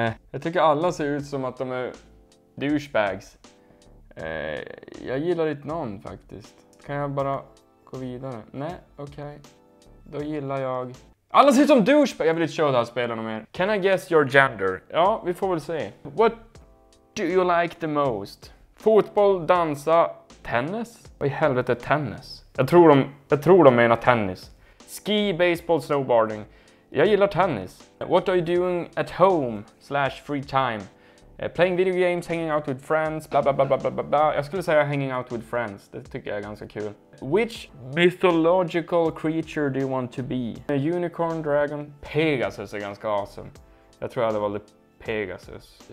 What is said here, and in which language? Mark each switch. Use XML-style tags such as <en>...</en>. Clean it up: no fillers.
<sv>Jag tycker alla ser ut som att de är douchebags. Jag gillar ditt namn faktiskt. Kan jag bara gå vidare? Nej, okej. Okay. Då gillar jag... Alla ser ut som douchebags! Jag vill inte köra det här spelet mer.</sv> <en>Can I guess your gender?</en> <sv>Ja, vi får väl se.</sv> <en>What do you like the most?</en> <sv>Fotboll, dansa, tennis? Vad i helvete är tennis? Jag tror de menar tennis.</sv> <en>Ski, baseball, snowboarding.</en> <sv>Jag gillar tennis.</sv> <en>What are you doing at home / free time? Playing video games, hanging out with friends, bla bla bla bla bla bla.</en> <sv>Jag skulle säga</sv> <en>hanging out with friends.</en> <sv>Det tycker jag är ganska kul.</sv> <en>Which mythological creature do you want to be? A unicorn, dragon?</en> <sv>Pegasus är ganska awesome. Jag tror jag hade valt Pegasus.</sv>